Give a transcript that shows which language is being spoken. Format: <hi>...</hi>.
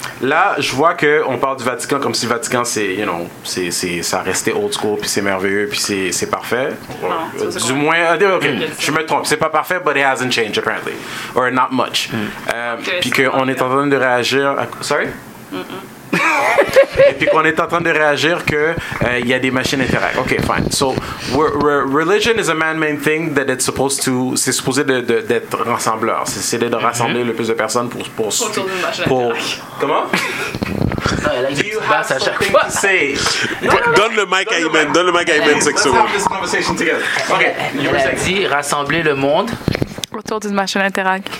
<fr>Là, je vois que on parle du Vatican comme si le Vatican c'est, you know, c'est ça restait old school, puis c'est merveilleux, puis c'est parfait. Non, du moins, okay. Je me trompe, c'est pas parfait,</fr> <en>but it hasn't changed apparently, or not much.</en> <fr>Puis qu'on est en train de réagir. Sorry. Et puis qu'on est en train de réagir que il y a des machines interact.</fr> <en>Ok, fine. So religion is a man-made thing that it's supposed to.</en> <fr>C'est supposé de d'être rassembleur. C'est de rassembler le plus de personnes pour autour d'une machine pour comment? Donne le mic à Iman. Donne le mic à Iman.</fr> <en>Let's have this conversation together. Ok.</en> <fr>Il a dit rassembler le monde autour d'une machine interact.</fr>